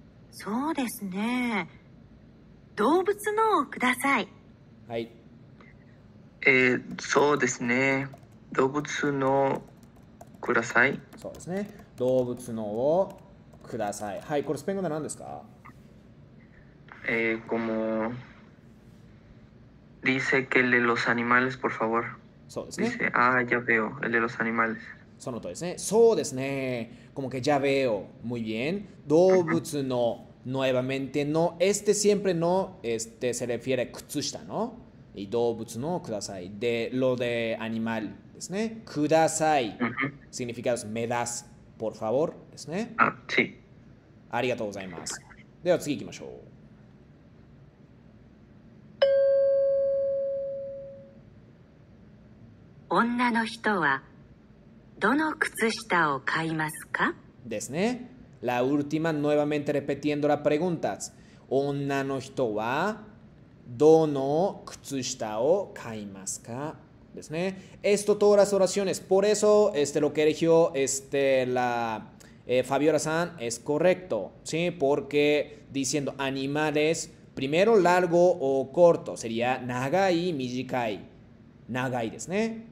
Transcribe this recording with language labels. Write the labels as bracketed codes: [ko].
[ja] そうですね。動物のをください。はい。そうですね。動物のください。そうですね。動物のをください。はい、これスペイン語で何ですか？ [es] como dice que el de los animales, por favor. [ja] そうですね。 [es] Dice, ah, ya veo, el de los animales. [ja] その通りですね。そうですね。 [es] como que ya veo, muy bien. 動物の、nuevamente no. Este siempre no, este se refiere a 靴下, ¿no? [ja] Y 動物のください. [es] De lo de animal, [ja] ですね。ください. [es] Significa, me das, por favor, ですね。 Ah, sí. [ja] ありがとうございます。では次行きましょう。女の人はどの靴下を買いますか？ですね。 [es] La última, nuevamente repitiendo la pregunta. [ja] 女の人はどの靴下を買いますか？ですね。 [es] Esto todas las oraciones. Por eso este, lo que eligió este, la, Fabiola-san es correcto. ¿Sí? Porque diciendo animales, primero largo o corto. [ja] Sería nagai, mijikai. Nagai, ¿desu ne?